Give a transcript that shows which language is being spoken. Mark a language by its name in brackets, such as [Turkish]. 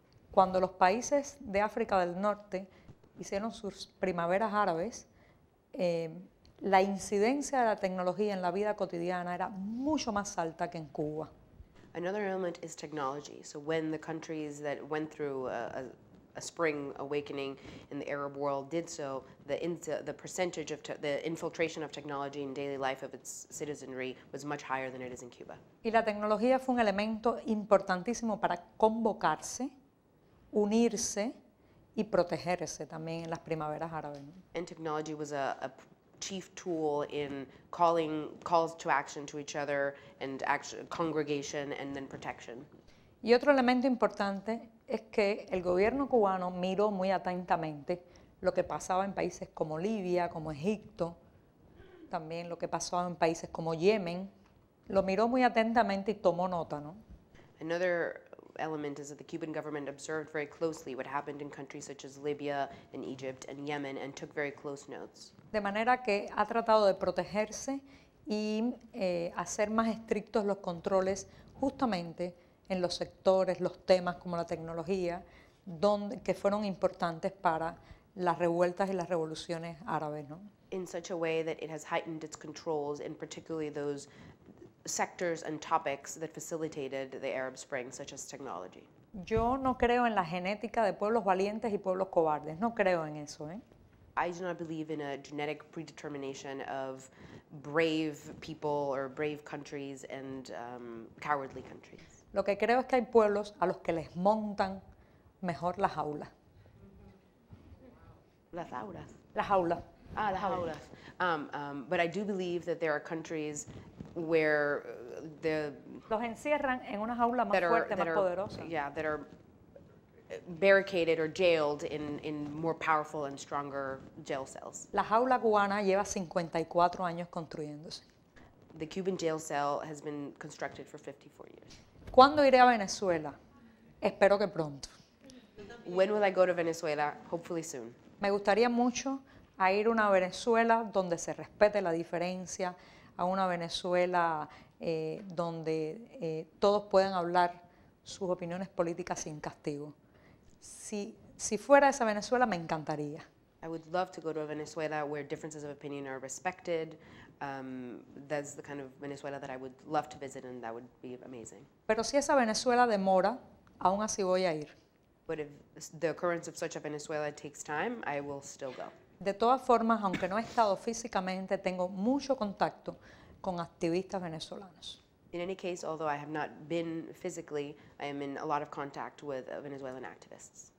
[Spanish] Cuando los países de África del Norte hicieron sus primaveras árabes, la incidencia de la tecnología en la vida cotidiana era mucho más alta que en Cuba. [English] Another element is technology. So when the countries that went through a spring awakening in the Arab world did so, the percentage of the infiltration of technology in daily life of its citizenry was much higher than it is in Cuba. [Spanish] Y la tecnología fue un elemento importantísimo para convocarse, unirse y protegerse también en las primaveras árabes. [English] And technology was a chief tool in calls to action to each other and congregation and then protection. [Spanish] Y otro elemento importante es que el gobierno cubano miró muy atentamente lo que pasaba en países como Libia, como Egipto, también lo que pasaba en países como Yemen. Lo miró muy atentamente y tomó nota, ¿no? [English] Another element is that the Cuban government observed very closely what happened in countries such as Libya and Egypt and Yemen and took very close notes. [Spanish] De manera que ha tratado de protegerse y hacer más estrictos los controles justamente en los sectores, los temas como la tecnología, que fueron importantes para las revueltas y las revoluciones árabes, ¿no? [English] In such a way that it has heightened its controls, and particularly those sectors and topics that facilitated the Arab Spring, such as technology. [Spanish] Yo no creo en la genética de pueblos valientes y pueblos cobardes. No creo en eso, ¿eh? [English] I do not believe in a genetic predetermination of brave people or brave countries and cowardly countries. [Spanish] Lo que creo es que hay pueblos a los que les montan mejor las aulas. Las aulas. Las aulas. Ah, las aulas. [English] But I do believe that there are countries where the... [Spanish] Los encierran en una jaula más fuerte, más poderosa. [English] Yeah, that are barricaded or jailed in more powerful and stronger jail cells. [Spanish] La jaula cubana lleva 54 años construyéndose. [English] The Cuban jail cell has been constructed for 54 years. [Spanish] ¿Cuándo iré a Venezuela? Espero que pronto. [English] When will I go to Venezuela? Hopefully soon. [Spanish] Me gustaría mucho a ir a una Venezuela donde se respete la diferencia, a una Venezuela donde todos puedan hablar sus opiniones políticas sin castigo. Si fuera esa Venezuela, me encantaría. [English] I would love to go to a Venezuela where differences of opinion are respected. That's the kind of Venezuela that I would love to visit, and that would be amazing. [Spanish] Pero si esa Venezuela demora, aún así voy a ir. [English] But if the occurrence of such a Venezuela takes time, I will still go. [Spanish] De todas formas, aunque no he estado físicamente, tengo mucho contacto con activistas venezolanos. [English] In any case, although I have not been physically, I am in a lot of contact with Venezuelan activists.